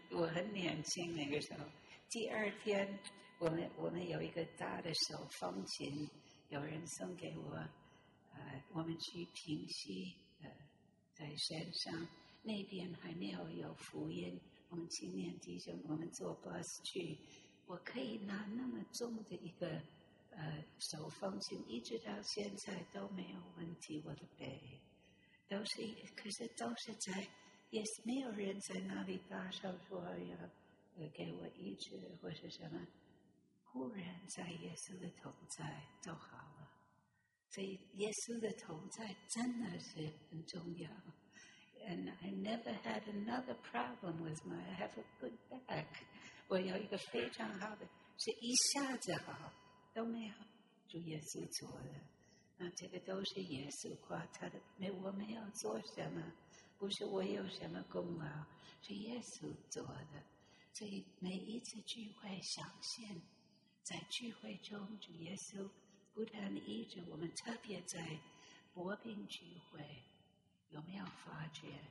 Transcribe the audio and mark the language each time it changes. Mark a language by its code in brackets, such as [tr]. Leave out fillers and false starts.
[zh] 我很年轻那个时候，第二天我们有一个大的手风琴，有人送给我，我们去平溪，在山上那边还没有有福音，我们青年弟兄，我们坐 bus 去，我可以拿那么重的一个手风琴，一直到现在都没有问题，我的背都是，可是都是在。也是没有人在那里大声说要给我医治或是什么，忽然在耶稣的同在就好了。所以耶稣的同在真的是很重要。 [en] And I never had another problem with my, I have a good back. [zh] 我有一个非常好的，是一下子好，都没有主耶稣做的。那这个都是耶稣夸他的，没我没有做什么。不是我有什么功劳，是耶稣做的。所以每一次聚会想现，在聚会中，主耶稣不但医治我们，特别在薄病聚会，有没有发觉？